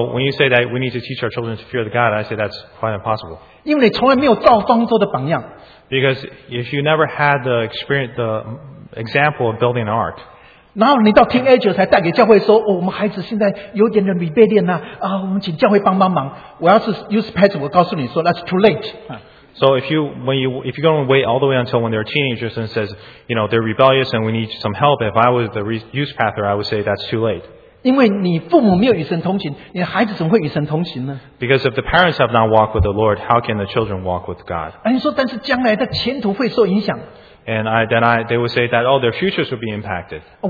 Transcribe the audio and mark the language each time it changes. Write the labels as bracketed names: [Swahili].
[English] when you say that we need to teach our children to fear the God, I say that's quite impossible. [Chinese] 因为你从来没有造方舟的榜样。 [English] Because if you never had the experience, the example of building an ark, [Chinese] 然后你到 teenager 才带给教会说，哦，我们孩子现在有点 rebellion啊，啊，我们请教会帮帮忙。我要是 youth pastor， 我告诉你说 [English] that's too late. So if you go and wait all the way until when they're teenagers and says, you know, they're rebellious and we need some help, if I was the youth pastor, I would say that's too late. [Chinese] 因为你父母没有与神同行，你的孩子怎么会与神同行呢？ [English] Because if the parents have not walked with the Lord, how can the children walk with God? [Chinese] 啊，你说，但是将来的前途会受影响。 [English] And they would say that oh, their futures would be impacted.